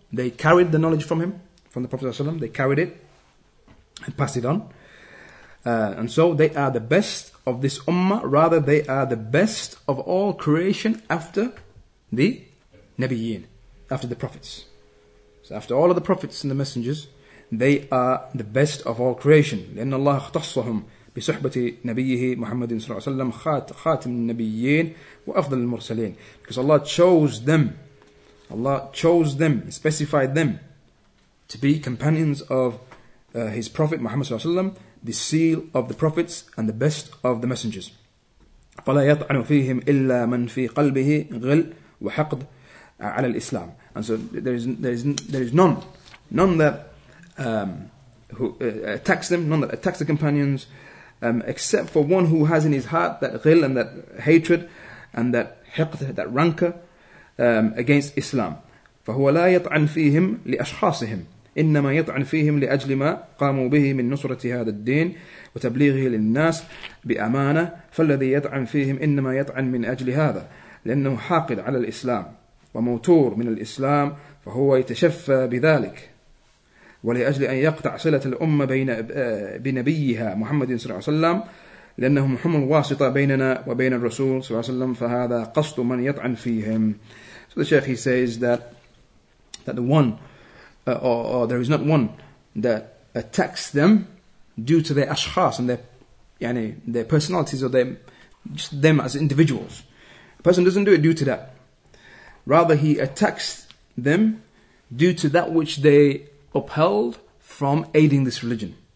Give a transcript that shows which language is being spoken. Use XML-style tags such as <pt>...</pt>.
<en>They carried the knowledge from him, from the Prophet ﷺ, they carried it and passed it on. And so they are the best of this ummah, rather they are the best of all creation after the Nabiyyin, after the Prophets. So after all of the Prophets and the Messengers, they are the best of all creation.</en> <ar>لأن الله اختصهم بصحبة نبيه محمد صلى الله عليه وسلم خاتم النبيين وأفضل المرسلين.</ar> <en>Because Allah chose them. Allah chose them, specified them to be companions of His Prophet Muhammad صلى الله عليه وسلم, the seal of the Prophets and the best of the Messengers.</en> <ar>فلا يطعن فيهم إلا من في قلبه غل وحقد على الإسلام.</ar> <en>And so there is none that attacks the companions, except for one who has in his heart that ghil and that hatred and that hiqd, that rancor, against Islam.</en> <ar>فهو لا يطعن فيهم لأشخاصهم إنما يطعن فيهم لأجل ما قاموا به من نصرة هذا الدين وتبليغه للناس بأمانة فالذي يطعن فيهم إنما يطعن من أجل هذا لأنه حاقد على الإسلام وموتور من الإسلام فهو يتشفى بذلك ولأجل أن يقطع صلة الأمة بين بنبيها محمد صلى الله عليه وسلم لأنهم هم الواسطة بيننا وبين الرسول صلى الله عليه وسلم فهذا قصد من يطعن فيهم.</ar> <en>So the Shaykh, he says that the one or there is not one that attacks them due to their ashkhas and their يعني their personalities or them, just them as individuals. A person doesn't do it due to that. Rather, he attacks them due to that which they upheld from aiding this religion.</en>